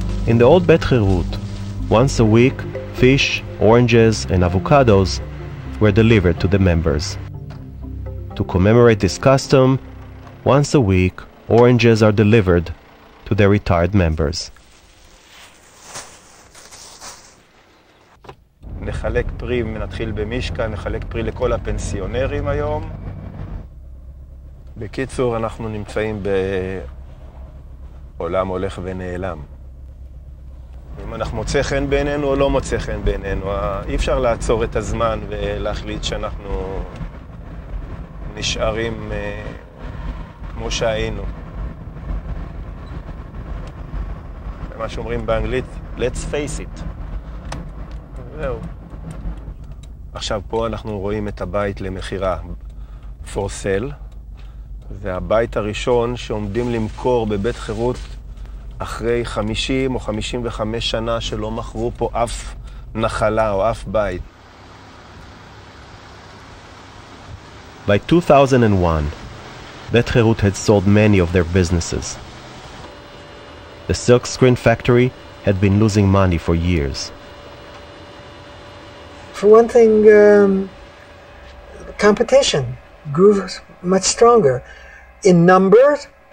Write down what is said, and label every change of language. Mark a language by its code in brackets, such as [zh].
[en] In the old Bet Chirut, once a week, fish, oranges, and avocados were delivered to the members. To commemorate this custom, once a week, oranges are delivered to the retired members. [he] נחלק פרי, נתחיל במשקה, נחלק פרי לכל הפנסיונרים היום. בקיצור, אנחנו נמצאים בעולם הולך ונעלם. אם אנחנו מוצא חן בינינו או לא מוצא חן בינינו, אי אפשר לעצור את הזמן ולהחליט שאנחנו נשארים כמו שהיינו. זה מה שאומרים באנגלית, [en] let's face it. [he] זהו. עכשיו פה אנחנו רואים את הבית למחירה, [en] for sale. [he] זה הבית הראשון שעומדים למכור בבית חירות, אחרי 50 או 55 שנה שלא מכרו פה אף נחלה או אף בית. [en] By 2001, Bet Chirut had sold many of their businesses. The silk screen factory had been losing money for years. For one thing, competition grew much stronger in numbers.